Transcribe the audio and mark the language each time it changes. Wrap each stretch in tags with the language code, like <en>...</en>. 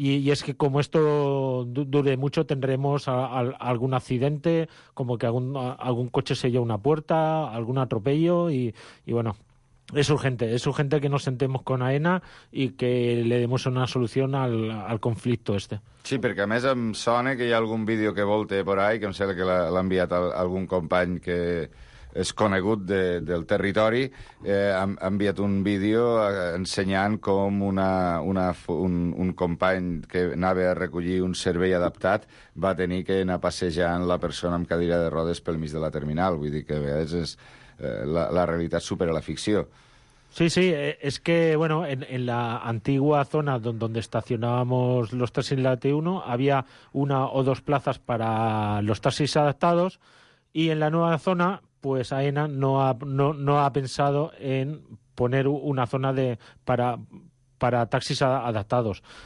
<es>es que como esto dure mucho tendremos algún accidente, como que algún coche se lleva una puerta, algún atropello, y bueno, es urgente que nos sentemos con Aena y que le demos una solución al conflicto este.</es> <ca>Sí, perquè a més em sona que hi ha algun vídeo que volte</ca> <es>por ahí,</es> <ca>que em sembla que l'ha enviat algun company que és conegut del territori, ha enviat un vídeo ensenyant com un company que anava a recollir un servei adaptat va tenir que anar passejant la persona amb cadira de rodes pel mig de la terminal. Vull dir que a vegades és la realitat supera la ficció.</ca> <es>Sí, es que, bueno, en la antigua zona donde estacionábamos los taxis de la T1 había una o dos plazas para los taxis adaptados, y en la nueva zona pues Aena no ha pensado en poner una zona para taxis adaptados.</es>